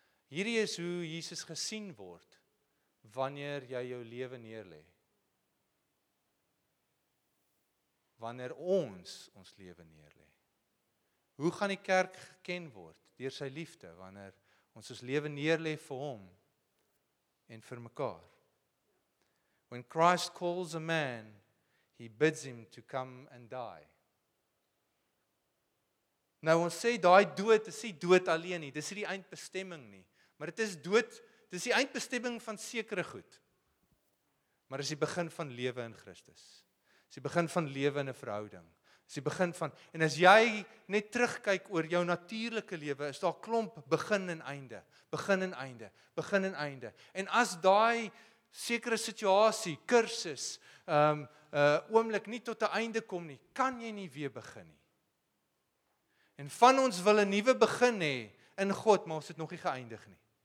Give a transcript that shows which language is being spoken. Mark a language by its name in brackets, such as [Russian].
[Afrikaans] Hierdie is hoe Jesus gesien word, wanneer jy jou lewe neerlê. Wanneer ons lewe neerlê. Hoe gaan die kerk geken word, deur sy liefde, wanneer ons lewe neerlê vir hom, en vir mekaar. [English] When Christ calls a man, he bids him to come and die. [Afrikaans] Nou ons sê, daai dood, is nie dood alleen nie, dis nie die eindbestemming nie, maar dit is dood, dis die eindbestemming van sekere goed, maar is die begin van lewe in Christus, is die begin van lewe in 'n verhouding, is die begin van, en as jy net terugkyk oor jou natuurlike lewe, is daar klomp begin en einde, begin en einde, begin en einde, en as daai sekere situasie, kursus, oomblik nie tot 'n einde kom nie, kan jy nie weer begin nie, En van ons wil 'n nuwe begin hê in God, maar ons het nog nie geëindig nie.